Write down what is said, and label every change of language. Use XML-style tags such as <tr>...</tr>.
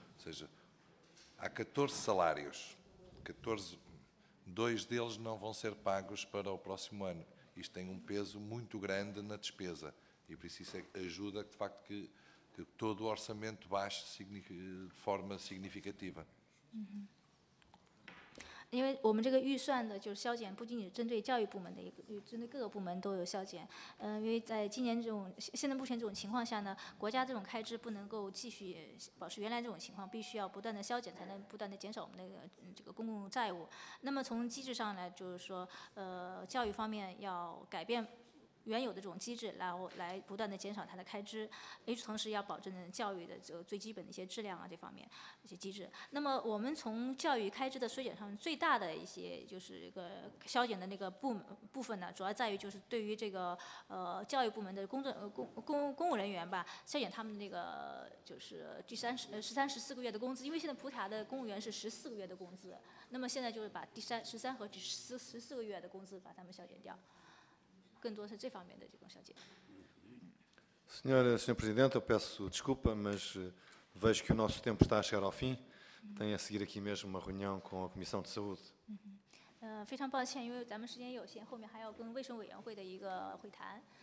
<pt>Ou seja, há 14 salários, 14, dois deles não vão ser pagos para o próximo ano. Isto tem um peso muito grande na despesa e por isso é que ajuda, de facto, que todo o orçamento baixe de forma significativa. Uhum.</pt> <zh>因为我们这个预算的就是削减，不仅仅是针对教育部门的，也针对各个部门都有削减。因为在今年这种现在目前这种情况下呢，国家这种开支不能够继续保持原来这种情况，必须要不断的削减，才能不断的减少我们那个这个公共债务。那么从机制上来，就是说，教育方面要改变原有的这种机制，来不断的减少它的开支，与此同时要保证教育的这个最基本的一些质量啊，这方面一些机制。那么我们从教育开支的削减上最大的一些就是一个削减的那个部分呢，主要在于就是对于这个教育部门的公务人员吧，削减他们那个就是第13、14个月的工资，因为现在葡萄牙的公务员是14个月的工资，那么现在就是把13和14个月的工资把他们削减掉。</zh> <pt>Senhora Presidente, eu peço desculpa, mas vejo que o nosso tempo está a chegar ao fim. tem a seguir aqui mesmo uma reunião com a Comissão de Saúde.</pt> <zh>非常抱歉，因为咱们时间有限，后面还要跟卫生委员会的一个会谈。</zh>